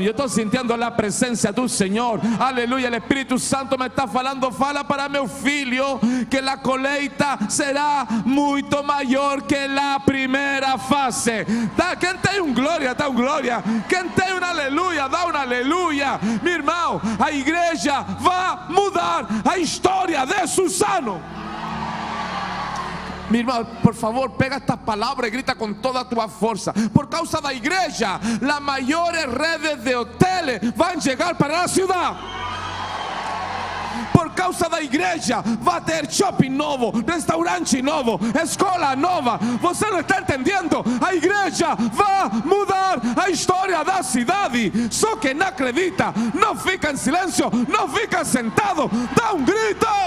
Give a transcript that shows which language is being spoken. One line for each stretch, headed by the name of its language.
Portuguese: Eu estou sentindo a presença do Senhor. Aleluia, o Espírito Santo me está falando: fala para meu filho que a colheita será muito maior que a primeira fase. Dá, quem tem um glória, dá um glória. Quem tem um aleluia, dá um aleluia. Meu irmão, a igreja vai mudar a história de Suzano.
Spanish: Mi hermano, por favor, pega esta palabra y grita con toda tu fuerza. Por causa de la iglesia, las mayores redes de hoteles van a llegar para la ciudad. Por causa de la iglesia, va a tener shopping nuevo, restaurante nuevo, escuela nueva. ¿Usted no está entendiendo? La iglesia va a mudar la historia de la ciudad.
Portuguese: Só que no acredita, no fica en silencio, no fica sentado, da un grito.